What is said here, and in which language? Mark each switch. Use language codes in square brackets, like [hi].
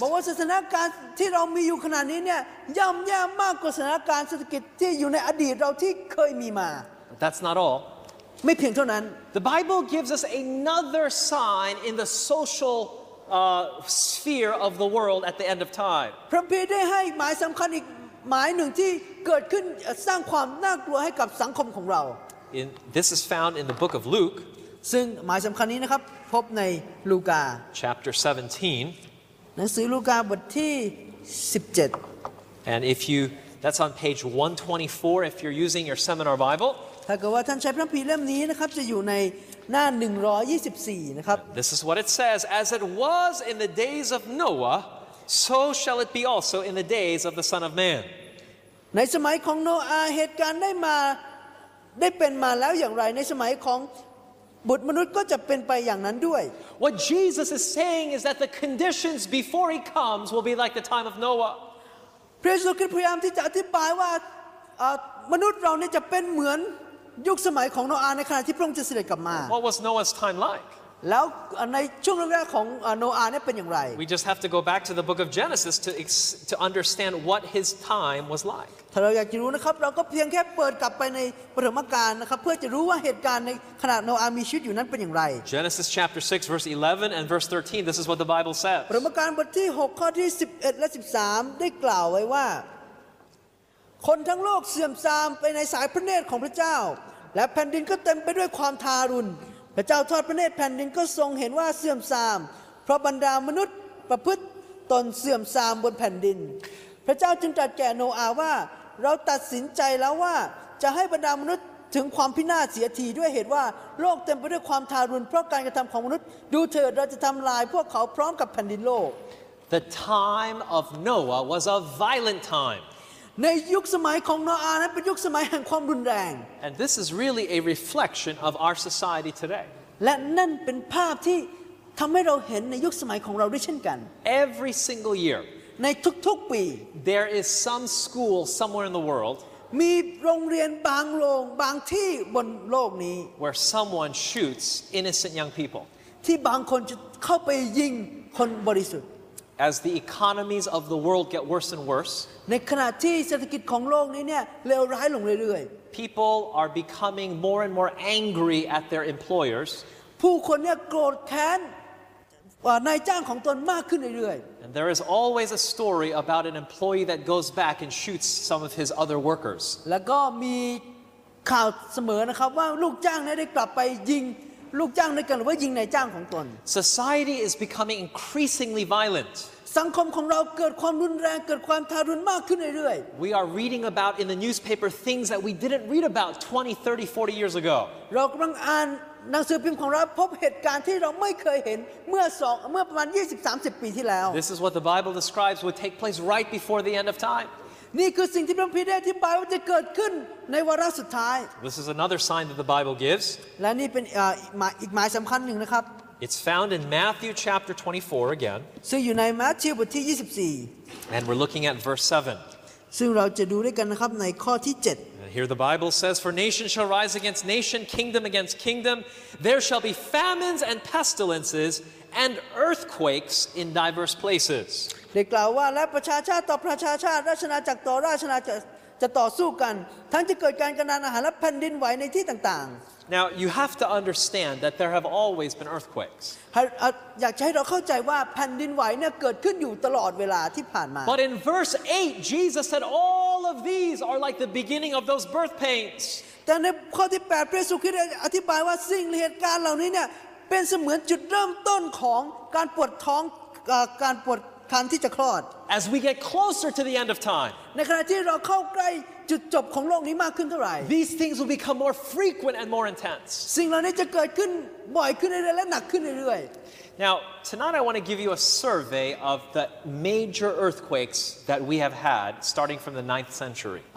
[en] But what's the situation that we are in now? It's much worse than the economic situation that we have experienced in the past. That's not all. [th] ไม่เพียงเท่านั้น [en] The Bible gives us another sign in the social sphere of the world at the end of time. [th] พระบิดาให้หมายสำคัญอีกหมายหนึ่งที่เกิดขึ้นสร้างความน่ากลัวให้กับสังคมของเรา [en] This is found in the book of Luke [th] ซึ่งหมายสำคัญนี้นะครับพบในลูกา [en] Chapter 17 [th] หนังสือลูกาบทที่17 [en] And if you that's on page 124 if you're using your seminar Bible [th] ถ้าเกิดว่าท่านใช้พระคัมภีร์เล่มนี้นะครับจะอยู่ในหน้า124นะครับ [en] This is what it says as it was in the days of Noah so shall it be also in the days of the Son of Man [th] ในสมัยของโนอาเหตุการณ์ได้เป็นมาแล้วอย่างไรในสมัยของบุตรมนุษย์ก็จะเป็นไปอย่างนั้นด้วย [en] What Jesus is saying is that the conditions before he comes will be like the time of Noah [th] พระเยซูคริสต์พยายามที่จะอธิบายว่ามนุษย์เราเนี่ยจะเป็นเหมือนยุคสมัยของโนอาในขณะที่พระองค์จะเสด็จกลับมา [en] What was Noah's time like [th] แล้วในช่วงแรกของโนอาห์เนี่ยเป็นอย่างไร [en] We just have to go back to the book of Genesis to understand what his time was like [th] ถ้าเราอยากรู้นะครับเราก็เพียงแค่เปิดกลับไปในปฐมกาลนะครับเพื่อจะรู้ว่าเหตุการณ์ในขณะโนอาห์มีชีวิตอยู่นั้นเป็นอย่างไร [en] Genesis chapter 6 verse 11 and verse 13 this is what the Bible says [th] ปฐมกาลบทที่6ข้อที่11และ13ได้กล่าวไว้ว่าคนทั้งโลกเสื่อมทรามไปในสายพระเนตรของพระเจ้าและแผ่นดินก็เต็มไปด้วยความทารุณพระเจ้าทอดพระเนตรแผ่นดินก็ทรงเห็นว่าเสื่อมทรามเพราะบรรดามนุษย์ประพฤติตนเสื่อมทรามบนแผ่นดินพระเจ้าจึงตรัสแก่โนอาห์ว่าเราตัดสินใจแล้วว่า จะให้บรรดามนุษย์ถึงความพินาศเสียทีด้วยเหตุว่าโลกเต็มไปด้วยความทารุณเพราะการกระทำของมนุษย์ดูเถิดเราจะทำลายพวกเขาพร้อมกับแผ่นดินโลก [en] The time of Noah was a violent time [th] ในยุคสมัยของโนอาห์นั้นเป็นยุคสมัยแห่งความรุนแรง [en] And this is really a reflection of our society today [th] และนั่นเป็นภาพที่ทำให้เราเห็นในยุคสมัยของเราด้วยเช่นกัน [en] Every single year [th] ในทุกๆปี [en] There is some school somewhere in the world [th] มีโรงเรียนบางโรงบางที่บนโลกนี้ [en] where someone shoots innocent young people [th] ที่บางคนจะเข้าไปยิงคนบริสุทธิ์ [en] as the economies of the world get worse and worse [th] ในขณะที่เศรษฐกิจของโลกนี้เนี่ยเลวร้ายลงเรื่อย [en] ๆ people are becoming more and more angry at their employers [th] ผู้คนเนี่ยโกรธแค้นนายจ้างของตนมากขึ้นเรื่อยๆ [en] And there is always a story about an employee that goes back and shoots some of his other workers. [th] แล้วก็มีข่าวเสมอนะครับว่าลูกจ้างได้กลับไปยิงลูกจ้างด้วยกันหรือว่ายิงนายจ้างของตน [en] Society is becoming increasingly violent. [th] สังคมของเราเกิดความรุนแรงเกิดความทารุณมากขึ้นเรื่อย [en] ๆ We are reading about in the newspaper things that we didn't read about 20, 30, 40 years ago. [th] เรากำลังอ่านหนังสือพิมพ์ของเราพบเหตุการณ์ที่เราไม่เคยเห็นเมื่อประมาณ 20-30 ปีที่แล้ว [en] This is what the Bible describes would take place right before the end of time [th] นี่คือสิ่งที่พระคัมภีร์ได้อธิบายว่าจะเกิดขึ้นในวาระสุดท้าย [en] This is another sign that the Bible gives [th] และนี่เป็นอีกหมายสำคัญหนึ่งนะครับ [en] It's found in Matthew chapter 24 again [th] ซึ่งอยู่ในมัทธิวบทที่24 [en] And we're looking at verse 7 [th] ซึ่งเราจะดูด้วยกันนะครับในข้อที่7 [en] Here the Bible says, For nation shall rise against nation, kingdom against kingdom. There shall be famines and pestilences and earthquakes in diverse places. [th] ได้กล่าวว่าและประชาชาติต่อประชาชาติราชนาจักรต่อราชนาจักรจะต่อสู้กันทั้งจะเกิดการกระหน่ำอาหารและแผ่นดินไหวในที่ต่าง [en] ๆ Now you have to understand that there have always been earthquakes. [th] อยากให้เราเข้าใจว่าแผ่นดินไหวเนี่ยเกิดขึ้นอยู่ตลอดเวลาที่ผ่านมา [en] But in verse 8, Jesus said, All of these are like the beginning of those birth pains. [th] แต่ในข้อที่8พระเยซูคริสต์อธิบายว่าสิ่งเหตุการณ์เหล่านี้เนี่ยเป็นเสมือนจุดเริ่มต้นของการปวดท้องการปวดครรภ์ที่จะคลอด [en] As we get closer to the end of time. [th] ในขณะที่เราเข้าใกล้จุดจบของโลกนี้มากขึ้นเท่าไหร่ [en] These things will become more frequent and more intense. [th] สิ่งเหล่านี้จะเกิดขึ้นบ่อยขึ้นเรื่อยๆและหนักขึ้นเรื่อยๆ [en] Now, tonight I want to give you a survey of the major earthquakes that we have had starting from the 9th century.